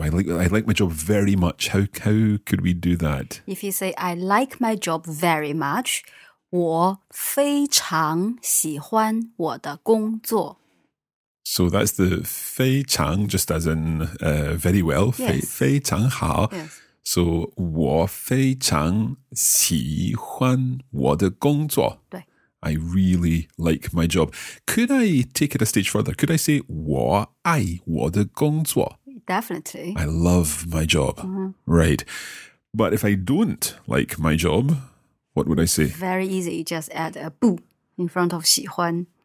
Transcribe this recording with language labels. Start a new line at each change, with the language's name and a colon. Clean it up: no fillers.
English: I like my job very much. How could we do that? If you say I like my job very much,
Chinese: 我非常喜欢我的工作.
English: So that's the 非常 just as in very well. Yes.
Chinese: 非常好.
English: Yes.
Chinese: So, 我非常喜欢我的工作.
English: I really like my job. Could I take it a stage further? Could I say
Chinese: 我爱我的工作?
English: Definitely. I love my job. Mm-hmm. Right. But if I don't like my job, what would I say? Very easy. You just add a 不 in front of 喜欢.